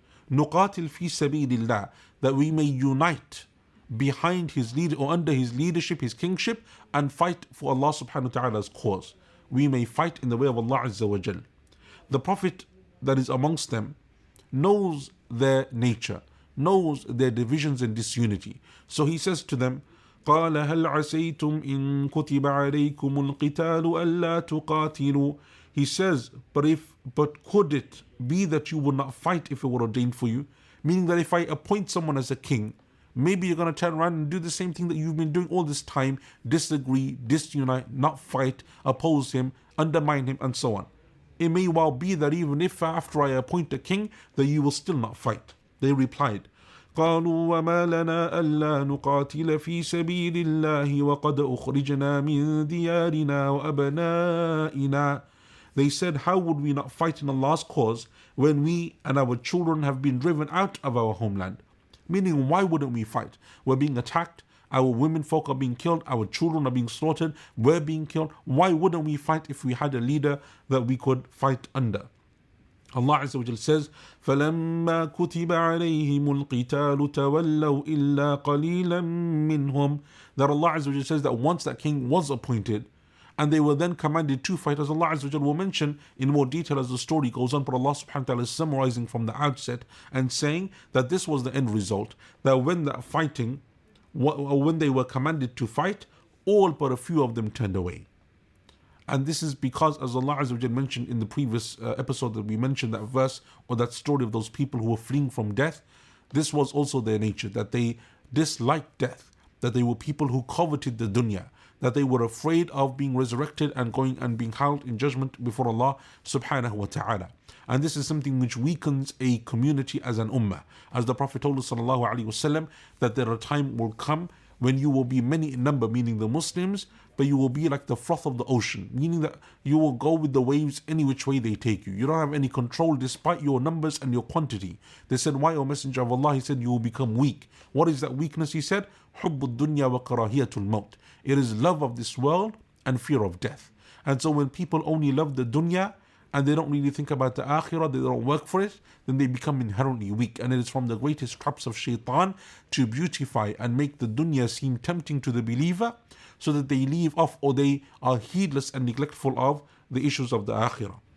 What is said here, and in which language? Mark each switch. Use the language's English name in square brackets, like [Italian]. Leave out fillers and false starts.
[Arabic] نُقَاتِلْ فِي سَبِيلِ اللَّهِ, [English] that we may unite behind his leader or under his leadership, his kingship, and fight for Allah subhanahu wa ta'ala's cause. We may fight in the way of Allah Azza wa Jal. The prophet that is amongst them knows their nature, knows their divisions and disunity. So he says to them, [Arabic] قَالَ هَلْ عَسَيْتُمْ إِن كُتِبَ عَلَيْكُمُ الْقِتَالُ أَلَّا تُقَاتِلُوا. [English] He says, but could it be that you would not fight if it were ordained for you? Meaning that if I appoint someone as a king, maybe you're going to turn around and do the same thing that you've been doing all this time, disagree, disunite, not fight, oppose him, undermine him, and so on. It may well be that even if after I appoint a king, that you will still not fight. They replied, [Arabic] قالوا وما لنا ألا نقاتل في سبيل الله وقد أخرجنا من ديارنا وأبنائنا. [English] They said, how would we not fight in Allah's cause when we and our children have been driven out of our homeland? Meaning, why wouldn't we fight? We're being attacked, our women folk are being killed, our children are being slaughtered, we're being killed. Why wouldn't we fight if we had a leader that we could fight under? Allah Azza wa Jal says, [Arabic] فَلَمَّا كُتِبَ عَلَيْهِمُ الْقِتَالُ تَوَلَّوْا إِلَّا قَلِيلًا مِّنْهُمْ. [English] That Allah Azza wa Jal says that once that king was appointed, and they were then commanded to fight, as Allah Azza wa Jal will mention in more detail as the story goes on, but Allah subhanahu wa ta'ala is summarizing from the outset and saying that this was the end result, that when that fighting, when they were commanded to fight, all but a few of them turned away. And this is because, as Allah Azza wa Jalla mentioned in the previous episode that we mentioned, that verse or that story of those people who were fleeing from death, this was also their nature, that they disliked death, that they were people who coveted the dunya, that they were afraid of being resurrected and going and being held in judgment before Allah subhanahu wa ta'ala. And this is something which weakens a community as an ummah. As the Prophet told us sallallahu alayhi wasallam, that there a time will come when you will be many in number, meaning the Muslims, but you will be like the froth of the ocean, meaning that you will go with the waves any which way they take you. You don't have any control despite your numbers and your quantity. They said, why, O Messenger of Allah? He said, you will become weak. What is that weakness? He said, [Arabic] حُبُّ الدُّنْيَا وَقَرَاهِيَةُ الْمَوْتِ. [English] It is love of this world and fear of death. And so when people only love the dunya and they don't really think about the akhirah, they don't work for it, then they become inherently weak. And it is from the greatest traps of shaitan to beautify and make the dunya seem tempting to the believer so that they leave off or they are heedless and neglectful of the issues of the akhirah.